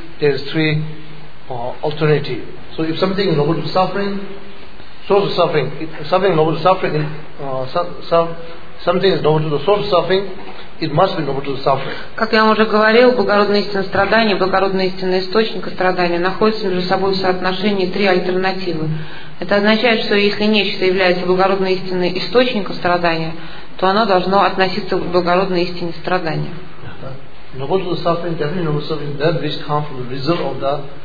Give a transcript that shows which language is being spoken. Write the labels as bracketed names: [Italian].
[English] There is three alternative. So if something is number two suffering, source of suffering, something is number two the source of suffering. It must be number two suffering. [Russian] Как я вам уже говорил, благородная истина страдания, благородная истина источника страдания находятся между собой в соотношении три альтернативы. Это означает, что если нечто является благородной истиной источника страдания, то оно должно относиться к благородной истине страдания. [English] Number two suffering, definitely number two suffering, that which comes from the result of that,